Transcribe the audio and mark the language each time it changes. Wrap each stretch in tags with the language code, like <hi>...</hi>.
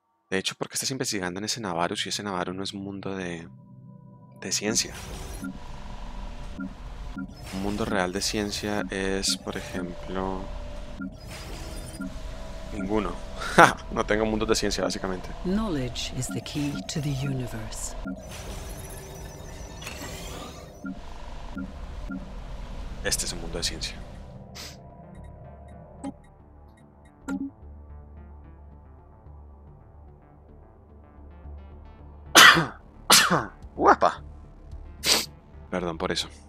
<es>De hecho, ¿por qué estás investigando en ese Navarro si ese Navarro no es un mundo de ciencia? Un mundo real de ciencia es, por ejemplo, ninguno. ¡Ja! No tengo mundos de ciencia, básicamente.</es> <en>Knowledge is the key to the universe.</en> <es>Este es un mundo de ciencia. ¡Guapa! Perdón por eso.</es>